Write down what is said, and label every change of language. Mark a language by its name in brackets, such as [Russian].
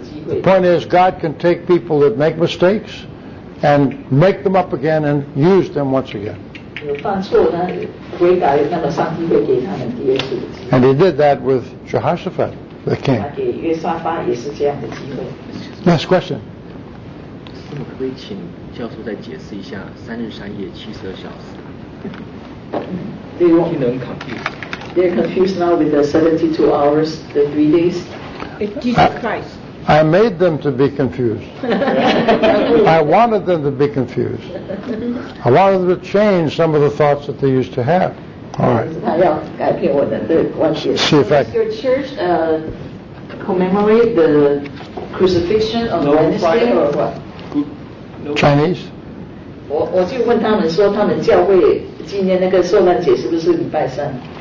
[English] The point is, God can take people that make mistakes and make them up again and use them once again. And he did that with Jehoshaphat, the king. Next question. [Chinese] 师母可不可以请教授再解释一下三日三夜七十二小时？ [English] Do you want to confuse? They're confused now with the 72 hours, the 3 days. Jesus Christ. I made them to be confused. I wanted them to be confused. I wanted them to change some of the thoughts that they used to have. All right. Does your church commemorate the crucifixion on Wednesday or what? Chinese? [Chinese] 我就问他们说，他们教会今年那个受难节是不是礼拜三？